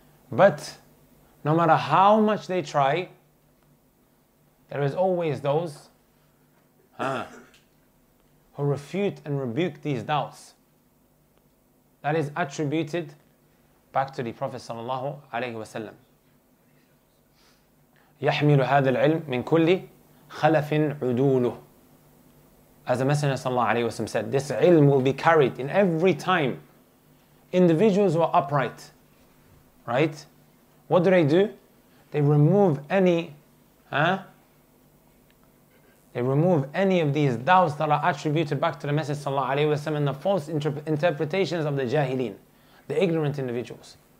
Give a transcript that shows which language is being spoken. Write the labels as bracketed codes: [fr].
[en] But no matter how much they try, there is always those who refute and rebuke these doubts that is attributed back to the Prophet sallallahu alaihi wasallam. [ar] يحمل هذا العلم من كل خلف عدوله. [en] As the Messenger sallallahu alaihi wasallam said, this ilm will be carried in every time. Individuals who are upright, right? What do? They remove any, They remove any of these doubts that are attributed back to the Messenger sallallahu alaihi wasallam and the false interpretations of the jahileen, the ignorant individuals.